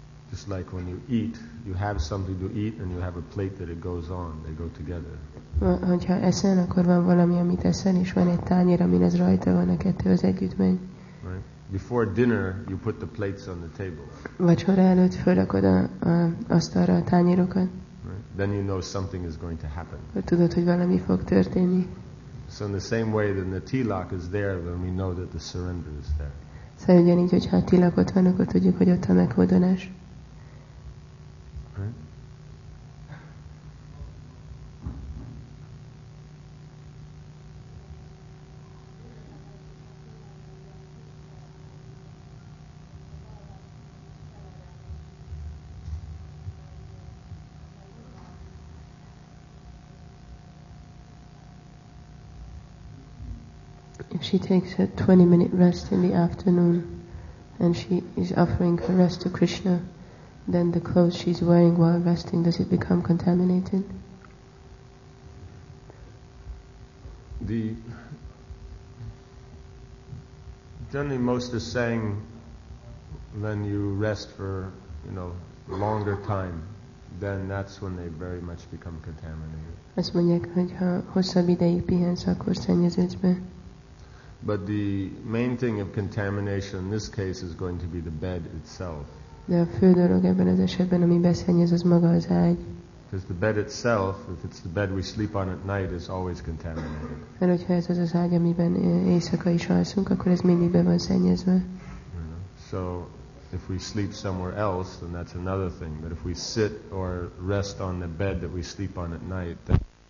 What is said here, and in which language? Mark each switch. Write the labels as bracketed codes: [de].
[en] Just like when you eat, you have something to eat and you have a plate that it goes on. They go together. [hu] Hogyha eszel, akkor van valami, amit eszel, és van egy tányér, amin ez rajta van, a kettő az együtt megy. [en] Before dinner, you put the plates on the table. [hu] Vacsora előtt fölrakod az asztalra a tányérokat. [en] Right. then you know something is going to happen. [hu] Tudod, hogy valami fog történni. [en] So in the same way that the tilak is there, then we know that the surrender is there. [hu] Szóval ugyanígy, hogyha a tilak ott van, akkor tudjuk, hogy ott a meghódolás. [en] She takes a 20-minute rest in the afternoon and she is offering her rest to Krishna, then the clothes she's wearing while resting, does it become contaminated? The generally most is saying when you rest for, you know, longer time, then that's when they very much become contaminated. [hu] Azt mondják, hogyha hosszabb ideig pihensz, akkor szennyeződsz be. [en] But the main thing of contamination in this case is going to be the bed itself. [hu] De a fő dolog ebben az esetben, ami beszennyez, az maga az ágy. [en] Because the bed itself, if it's the bed we sleep on at night, is always contaminated. [hu] Mert hogyha ez az az ágy, amiben éjszaka is alszunk, akkor ez mindig be van szennyezve. [en] So if we sleep somewhere else, then that's another thing. But if we sit or rest on the bed that we sleep on at night, then